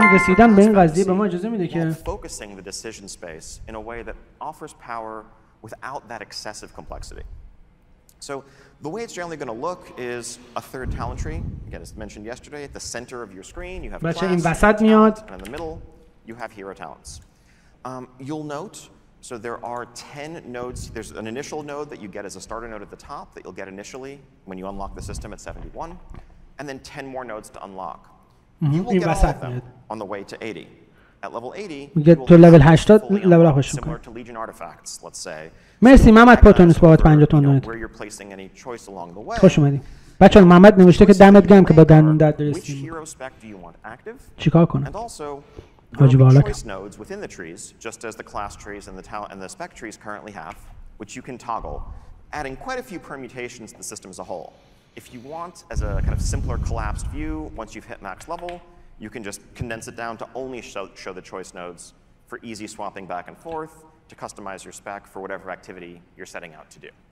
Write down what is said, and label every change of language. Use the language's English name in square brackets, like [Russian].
[Persian] رسیدن به این قضیه به ما اجازه میده که [English] focusing the decision space in a way that offers power without that excessive complexity. So the way it's generally going to look is a third talent tree. Again, as mentioned yesterday, at the center of your screen you have [Persian] بچه این وسط میاد. [English] In the middle you have hero talents. You'll note so there are 10 nodes. There's an initial node that you get as a starter node at the top that you'll get initially when you unlock the system at 71. And then 10 more nodes to unlock. You will get all of them on the way to 80. At level 80, you will get to level 80. Similar to Legion artifacts, let's say. [Persian] مرسی محمد پروتونس بابت 50 تومن دونات. [English] Where you're placing any choice along the way. [Persian] خوش اومدید. بچه ها محمد نوشته که دمت گرم که با دندون درد رسیدیم. [English] Which hero spec do you want active? [Persian] چیکار کنم؟ [English] And also, there will be choice nodes within the trees, just as the class trees and the talent and the spec trees currently have, which you can toggle, adding quite a few permutations to the system as a whole. If you want, as a kind of simpler collapsed view, once you've hit max level, you can just condense it down to only show the choice nodes for easy swapping back and forth to customize your spec for whatever activity you're setting out to do.